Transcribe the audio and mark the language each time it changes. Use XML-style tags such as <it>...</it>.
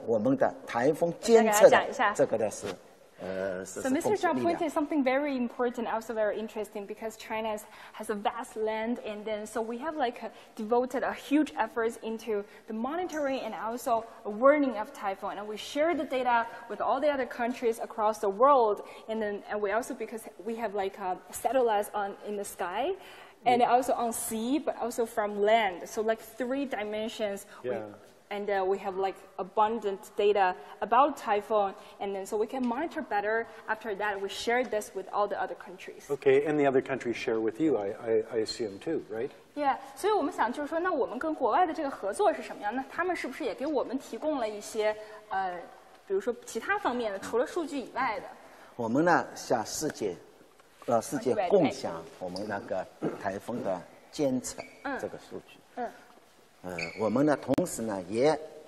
<zh>全遍布全国的各地的那个自动观测站，我们是世界这个量是最大的。所以在台风预报跟研究跟这个中呢，我们首先我们中国贡献了我们的台风监测的这个的是。</zh> <en>So Mr. Zhang pointed something very important, also very interesting, because China has a vast land, and then so we have like devoted a huge efforts into the monitoring and also a warning of typhoon, and we share the data with all the other countries across the world, and then and we also because we have like satellites on in the sky. And also on sea, but also from land. So like three dimensions. We have like abundant data about typhoon, and then so we can monitor better. After that, we share this with all the other countries. Okay, and the other countries share with you, I assume too, right?</en> <zh>Yeah, 所以我们想就是说，那我们跟国外的这个合作是什么样？那他们是不是也给我们提供了一些，比如说其他方面的，除了数据以外的？我们呢，向世界共享我们那个台风的监测这个数据。我们呢，同时呢也。</zh>